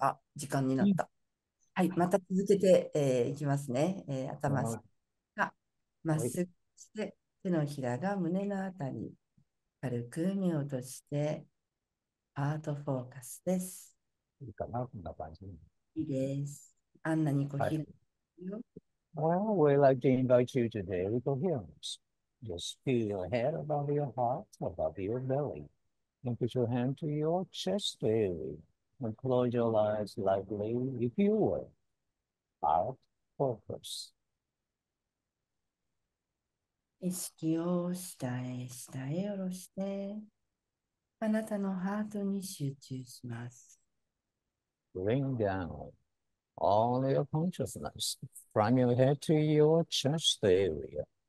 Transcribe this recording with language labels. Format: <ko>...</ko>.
<ja>あ、時間になった。はい、また続けて、いきますね。頭が、まっすぐして、手のひらが胸のあたり、軽く目を閉じて、ハートフォーカスです。いいかな、こんな感じに。いいです。アンナにコーヒーの。</ja> <en>Well, we'd like to invite you to daily coherence. Just feel your head above your heart, above your belly. Put your hand to your chest daily and close your eyes lightly if you will. Out focus.</en> <ja>意識を下へ下へ下ろしてあなたのハートに集中します。</ja> <en>Bring down all your consciousness from your head to your chest area.</en>